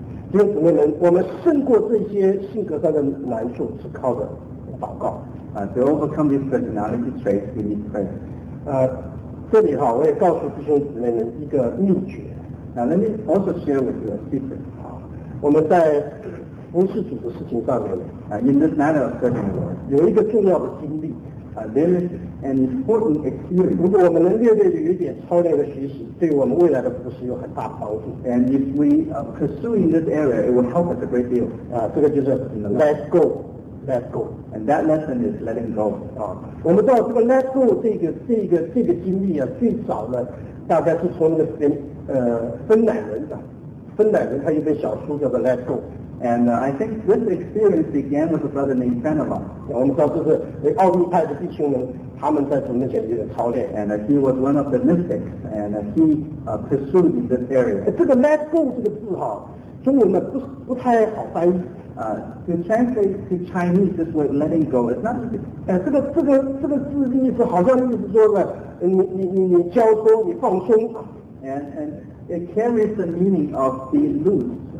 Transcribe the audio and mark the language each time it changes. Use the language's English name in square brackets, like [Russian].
[Chinese] 弟兄姊妹们，我们胜过这些性格上的难处，是靠的祷告。 [English] To overcome these personality traits, we need prayer. [Chinese] 这里哈，我也告诉弟兄姊妹们一个秘诀。 [English] Now let me also share with you a secret. [Chinese] 我们在服侍主的事情上面 [English] ，in this matter of serving the Lord, [Chinese] 有一个重要的经历。 [English] There is an important experience. [Chinese] 如果我们能略略有一点操练的学习，对我们未来的服侍有很大帮助。 [English] And if we pursue in this area, it will help us a great deal. [Chinese] 这个就是 let go, let go. [English] And that lesson is letting go. [Chinese] 我们知道这个 let go 这个经历啊，最早呢，大概是从那个芬乃人的，芬乃人他一本小书叫做 Let Go。 [English] And I think this experience began with a brother named Fenelon. [Chinese] 我们知道这是奥义派的弟兄们他们在从那些里面操练。 [English] And he was one of the mystics, and he pursued in this area. [Chinese] 这个 let go 这个字哈，中文呢不太好翻译。 [English] To translate to Chinese, this word letting go is not easy. [Chinese] 这个字意思好像意思说呢，你交松，你放松。 [English] And it carries the meaning of being loose.